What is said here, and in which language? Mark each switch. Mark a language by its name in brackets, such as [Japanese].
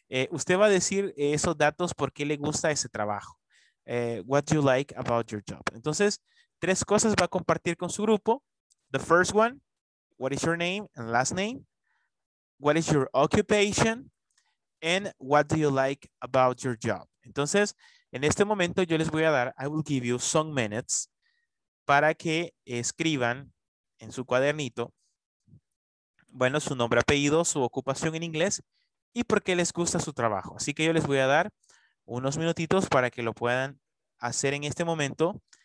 [Spanish] Usted va a decir esos datos porque le gusta ese trabajo. [English] What do you like about your job? [Spanish] Entonces, tres cosas va a compartir con su grupo. [English] The first one, what is your name and last name? What is your occupation? And what do you like about your job? [Spanish] Entonces, en este momento yo les voy a dar, [English] I will give you some minutes [Spanish] para que escriban en su cuadernito, bueno, su nombre, apellido, su ocupación en inglés y por qué les gusta su trabajo. Así que yo les voy a dar unos minutitos para que lo puedan hacer en este momento.